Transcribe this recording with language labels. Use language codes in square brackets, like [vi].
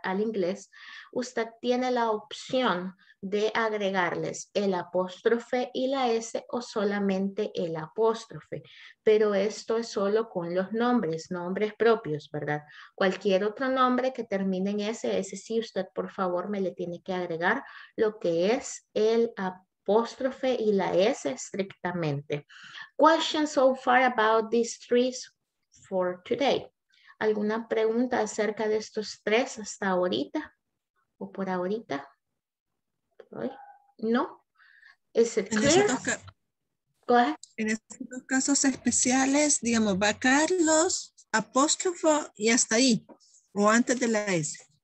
[es] Al inglés, usted tiene la opción de agregarles el apóstrofe y la S o solamente el apóstrofe. Pero esto es solo con los nombres, nombres propios, ¿verdad? Cualquier otro nombre que termine en S, ese sí usted por favor me le tiene que agregar lo que es el apóstrofe. Apóstrofe y la S estrictamente. [en] Question so far about these three for today. [es] ¿Alguna pregunta acerca de estos tres hasta ahorita? ¿O por ahorita? ¿No? ¿Es it clear? En estos dos casos especiales, digamos, va Carlos, apóstrofo y hasta ahí, o antes de la S.